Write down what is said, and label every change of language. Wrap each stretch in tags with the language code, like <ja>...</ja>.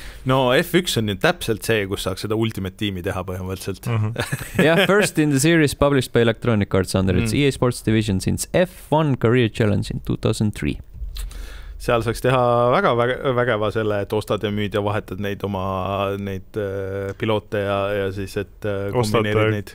<et>No, F1 on nüüd täpselt see, kus saaks seda Ultimate Teami teha põhimõtteliselt.</et> <en>Yeah, first in the series published by Electronic Arts under its EA Sports Division since F1 Career Challenge in 2003.</en> <et>Seal saaks teha väga vägeva selle, et ostad ja müüd ja vahetad neid oma neid piloote ja siis, et kombineerid neid.</et>